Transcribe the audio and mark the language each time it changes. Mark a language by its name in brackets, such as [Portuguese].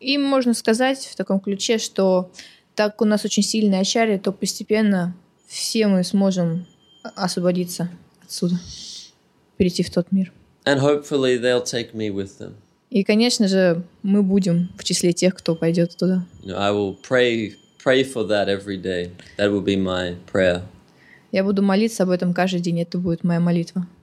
[Russian] И можно сказать в таком ключе, что так у нас очень сильные ачарьи, то постепенно все мы сможем освободиться отсюда, перейти в тот мир. [English] And hopefully they'll take me with them. [Russian] И, конечно же, мы будем в числе тех, кто пойдет туда. [English] I will pray for that every day. That will be my prayer. [Russian] Я буду молиться об этом каждый день, это будет моя молитва.